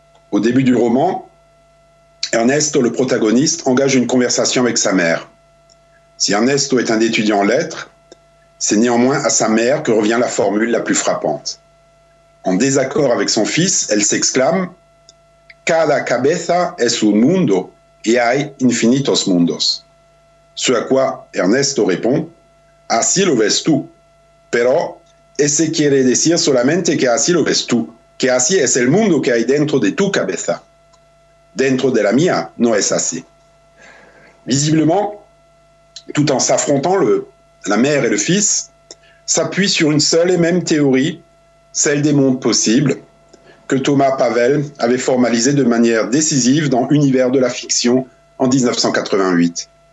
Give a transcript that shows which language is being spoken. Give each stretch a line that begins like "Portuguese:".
French: Au début du roman, Ernesto, le protagoniste, engage une conversation avec sa mère. Si Ernesto est un étudiant en lettres, c'est néanmoins à sa mère que revient la formule la plus frappante. En désaccord avec son fils, elle s'exclame
Spanish: « Cada cabeza es un mundo y hay infinitos mundos ».
French: Ce à quoi Ernesto répond
Spanish: « Así lo ves tú, pero ese quiere decir solamente que así lo ves tú, que así es el mundo que hay dentro de tu cabeza. Dentro de la mía no es así ».
French: Visiblement, tout en s'affrontant, la mère et le fils s'appuient sur une seule et même théorie, celle des mondes possibles, que Thomas Pavel avait formalisée de manière décisive dans « Univers de la fiction » en 1988.